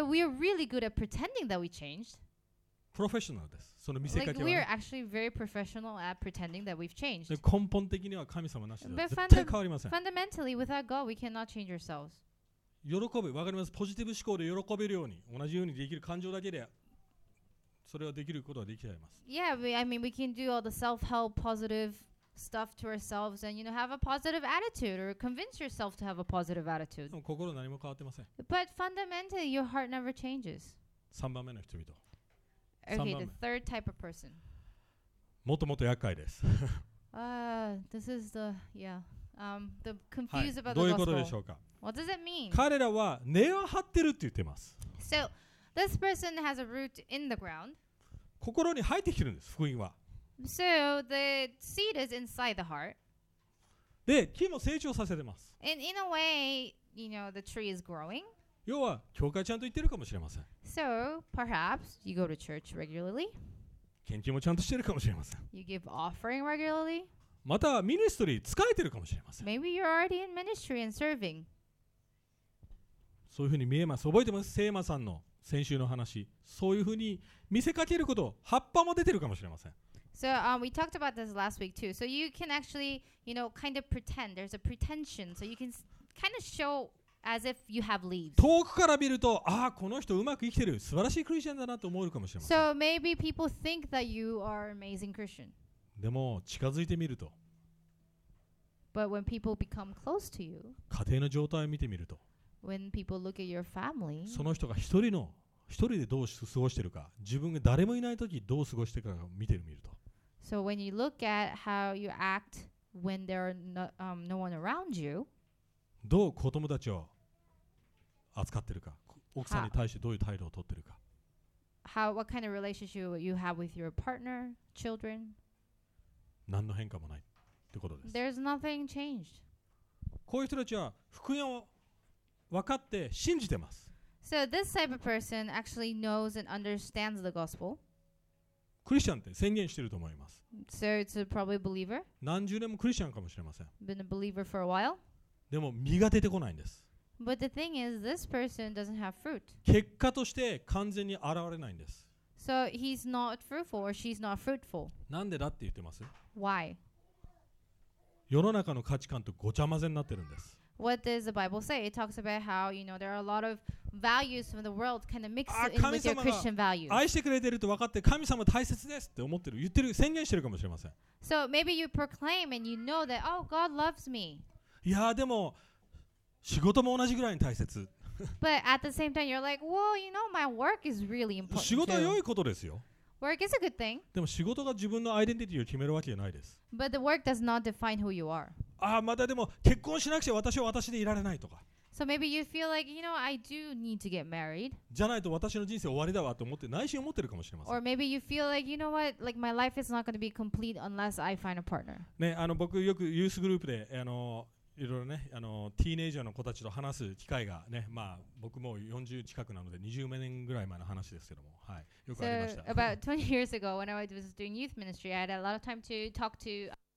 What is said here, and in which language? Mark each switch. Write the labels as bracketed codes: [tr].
[en] But we are really good at pretending that we changed. [ja] プロフェッショナルです。その見せかけは、ね。 [en] Like, we are actually very professional at pretending that we've changed. [ja] 根本的には神様なしでは絶対変わりません。 [en] Fundamentally, without God, we cannot change ourselves. [ja] 喜ぶ、わかります。ポジティブ思考で喜べるように、同じようにできる感情だけで、それはできることはできちゃいます。 [en] Yeah, I mean, we can do all the self-help positive stuff to ourselves and, you know, have a positive attitude or convince yourself to have a positive attitude. [ja] でも心何も変わってません。 [en] But fundamentally, your heart never changes. [ja] 3番目の人々。 [en] Okay, the third type of person. [ja] もっともっと厄介です。 [en] this is the, yeah, the confused、 [ja] はい、 [en] about the [ja] どういうことでしょうか。 [en] What does it mean? [ja] 彼らは根を張ってるって言ってます。 [en] So, this person has a root in the ground. [ja] 心に入ってきてるんです、福音は。 [en] So, the seed is inside the heart. [ja] で、木も成長させてます。 [en] And in a way, you know, the tree is growing. [ja] 要は教会ちゃんと行ってるかもしれません。 [en] So perhaps you go to church regularly. [ja] 献金もちゃんとしてるかもしれません。 [en] You give offering regularly. [ja] またミニストリー使えてるかもしれません。 [en] Maybe you're already in ministry and serving. [ja] そういうふうに見えます。覚えてます？聖馬さんの先週の話。そういうふうに見せかけること、葉っぱも出てるかもしれません。 [en] So we talked about this last week too. So you can actually, you know, kind of pretend. There's a pretension. So you can kind of show as if you have leaves. [ja] 遠くから見ると、ああこの人うまく生きてる、素晴らしいクリスチャンだなと思うかもしれません。 [en] So maybe people think that you are an amazing Christian. [ja] でも近づいてみると、 [en] But when people become close to you, [ja] 家庭の状態を見てみると、 [en] When people look at your family, [ja] その人が一人の一人でどう過ごしてるか、自分が誰もいないときどう過ごしてるかを見てみると。 [en] So when you look at how you act when there are no one around you, [ja] どう子供たちを扱ってるか、奥さんに対してどういう態度を取ってるか。 [en] How what kind of relationship you have with your partner, children? [ja] 何の変化もないってことです。 [en] There's nothing changed. [ja] こういう人たちは福音を分かって信じてます。 [en] So this type of person actually knows and understands the gospel. [ja] クリスチャンって宣言してると思います。 [en] So it's a probably believer. [ja] 何十年もクリスチャンかもしれません。 [en] Been a believer for a while. [ja] でも実が出てこないんです。 [en] But the thing is, this person doesn't have fruit. [ja] 結果として完全に現れないんです。 [en] So he's not fruitful or she's not fruitful. [ja] なんでだって言ってます。 [en] Why? [ja] 世の中の価値観とごちゃ混ぜになってるんです。 [en] What does the Bible say? It talks about how, you know, there are a lot of values from the world kind of mixed in with your Christian values. [ja] 愛してくれてると分かって神様大切ですって思ってる、言ってる、宣言してるかもしれません。 [en] So maybe you proclaim and you know that, oh, God loves me. [ja] いやでも仕事も同じぐらいに大切。 [en] But at the same time, you're like, well, you know, my work is really important. [ja] 仕事は良いことですよ。 [en] Work is a good thing. [ja] でも仕事が自分のアイデンティティを決めるわけじゃないです。 [en] But the work does not define who you are. [ja] ああまたでも結婚しなくちゃ私は私でいられないとか。 [en] So maybe you feel like, you know, I do need to get married. [ja] じゃないと私の人生終わりだわと思って内心思ってるかもしれません。 [en] Or maybe you feel like, you know what, like my life is not going to be complete unless I find a partner. [ja] ね、僕よくユースグループで、いろいろね、ティーネイジャーの子たちと話す機会がね、まあ僕もう40近くなので20年ぐらい前の話ですけども、はい、よくありました。 [en] So about 20 years ago, when I was doing youth ministry, I had a lot of time to talk to